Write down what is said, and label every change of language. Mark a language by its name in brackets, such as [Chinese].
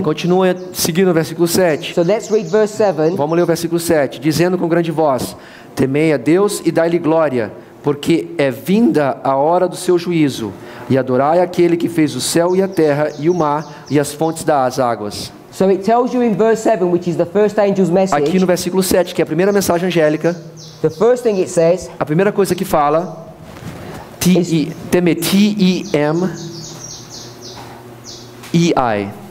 [Portuguese] e continua seguindo o versículo 7. [English] So let's read verse 7. [Portuguese] Vamos ler o versículo 7. Dizendo com grande voz, temei a Deus e dai-lhe glória. Porque é vinda a hora do seu juízo, e adorai aquele que fez o céu e a terra e o mar e as fontes das águas. [English] So it tells you in verse 7, which is the first angel's message. [Portuguese] Aqui no versículo 7, que é a primeira mensagem angélica. The first thing it says, a primeira coisa que fala, T-E-M-E-I.